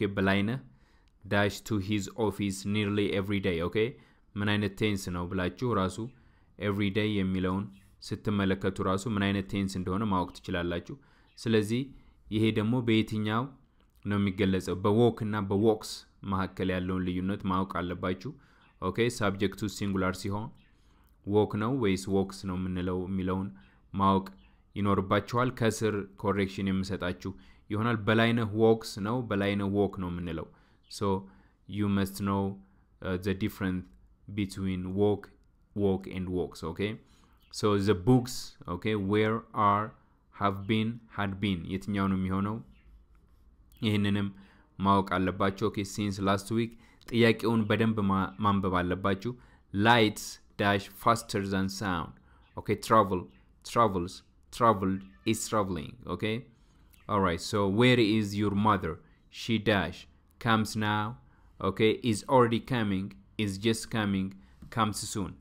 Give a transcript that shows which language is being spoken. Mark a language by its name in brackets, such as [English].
[English] Okay, በላይነ dash to his office nearly every day. [Amharic] Okay, ምን አይነት ቴንስ ነው ብላችሁ ራሱ every day የሚለውን ስትመለከቱ ራሱ ምን አይነት ቴንስ እንደሆነ ማወቅ ትችላላችሁ. ስለዚህ ይሄ ደግሞ በየትኛው ነው የሚገለጸው? በwalk እና በwalks መሐከለ ያለውን ልዩነት ማወቅ አለባችሁ. Okay, subject to singular ሲሆን walk ነው ወይስ walks ነው ምንለው የሚለውን ማወቅ ይኖርባችኋል. ከስር correction የምሰጣችሁ ይሆናል. በላይነህ walks ነው በላይነህ walk ነው ምንለው? [English] So you must know the difference between walk and walks. Okay, so the books, okay, where are, have been, had been, [Amharic] የትኛው ነው የሚሆነው? ይሄንንም ማወቅ አለባችሁ. Okay, [English] since last week [Amharic] ጥያቄውን በደንብ ማንበብ አለባችሁ. [English] Lights dash faster than sound. Okay, travel, travels, traveled, is traveling. Okay, all right, so where is your mother? She dash comes now. Okay, is already coming, is just coming, comes soon.